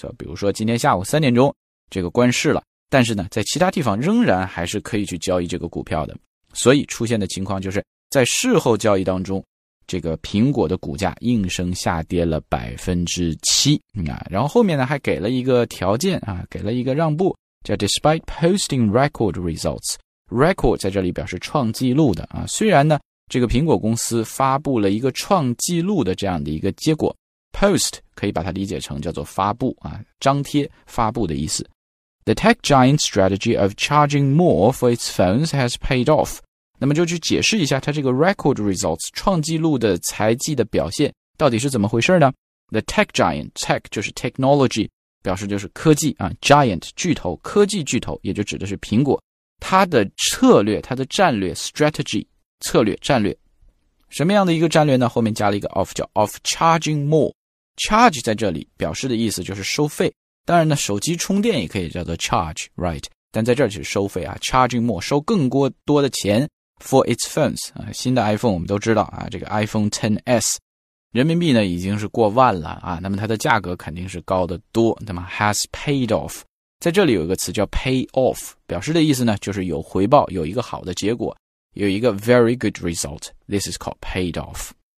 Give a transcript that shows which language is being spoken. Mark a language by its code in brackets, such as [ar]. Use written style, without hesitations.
[zh] 比如说今天下午三点钟这个关市了，但是呢在其他地方仍然还是可以去交易这个股票的，所以出现的情况就是在事后交易当中，这个苹果的股价应声下跌了 7%、然后后面呢还给了一个条件啊，给了一个让步，叫 despite posting record results。 record 在这里表示创纪录的啊，虽然呢这个苹果公司发布了一个创纪录的这样的一个结果， post 可以把它理解成叫做发布啊，张贴发布的意思。 [en] The tech giant's strategy of charging more for its phones has paid off。 [zh] 那么就去解释一下它这个 record results 创纪录的财绩的表现到底是怎么回事呢？ The tech giant, tech 就是 technology, 表示就是科技啊， giant 巨头，科技巨头也就指的是苹果，它的策略，它的战略 strategy 策略战略，什么样的一个战略呢？后面加了一个 of, 叫 of charging more。 charge 在这里表示的意思就是收费，当然呢手机充电也可以叫做 charge, right? 但在这儿是收费啊， charging more, 收更多多的钱 for its phones, 啊，新的 iPhone 我们都知道啊，这个 iPhone XS, 人民币呢已经是过万了啊，那么它的价格肯定是高得多，那么 has paid off, 在这里有一个词叫 pay off, 表示的意思呢就是有回报，有一个好的结果，有一个 very good result, this is called paid off。